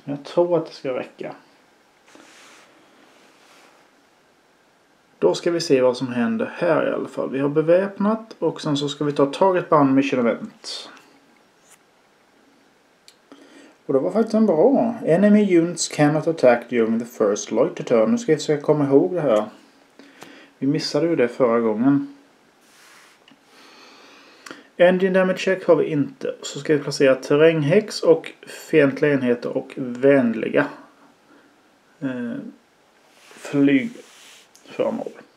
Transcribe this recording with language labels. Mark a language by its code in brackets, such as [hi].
[sv] Men jag tror att det ska räcka. Då ska vi se vad som händer här i alla fall. Vi har beväpnat och sen så ska vi ta target band mission event. Och det var faktiskt en bra. [en] Enemy units cannot attack during the first loiter turn. [sv] Nu ska jag försöka komma ihåg det här. Vi missade ju det förra gången. Engine damage check har vi inte. Så ska vi placera terränghex och fientliga enheter och vänliga flygföremål.